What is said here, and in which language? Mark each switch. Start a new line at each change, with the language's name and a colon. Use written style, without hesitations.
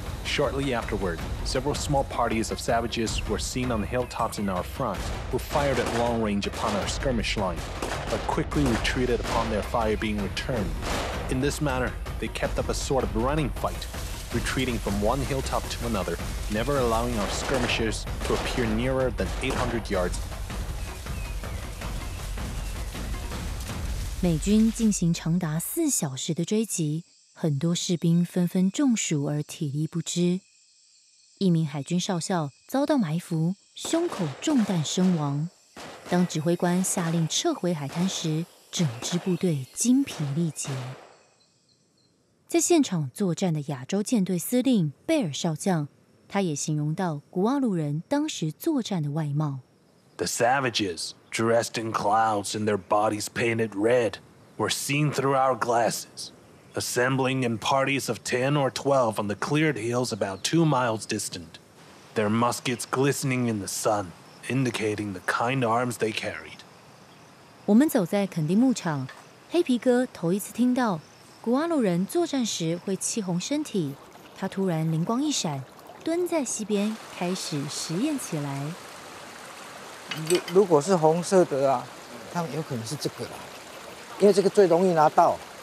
English: Shortly afterward, several small parties of savages were seen on the hilltops in our front, who fired at long range upon our skirmish line, but quickly retreated upon their fire being returned. In this manner, they kept up a sort of running fight, retreating from one hilltop to another, never allowing our skirmishers to appear nearer than 800 yards.
Chinese: 美军进行长达4小时的追击，很多士兵纷纷中暑而体力不支。一名海军少校遭到埋伏，胸口中弹身亡。当指挥官下令撤回海滩时，整支部队精疲力竭。在现场作战的亚洲舰队司令贝尔少将，他也形容到古瓦鲁人当时作战的外貌。
English: The savages, dressed in clouds and their bodies painted red, were seen through our glasses, assembling in parties of 10 or 12 on the cleared hills about 2 miles distant, their muskets glistening in the sun, indicating the kind arms they carried.
Chinese: 我们走在肯丁牧场，黑皮哥头一次听到古瓦鲁人作战时会气红身体，他突然灵光一闪，蹲在溪边开始实验起来。如果是红色的啊，他们有可能是这个啦，因为这个最容易拿到。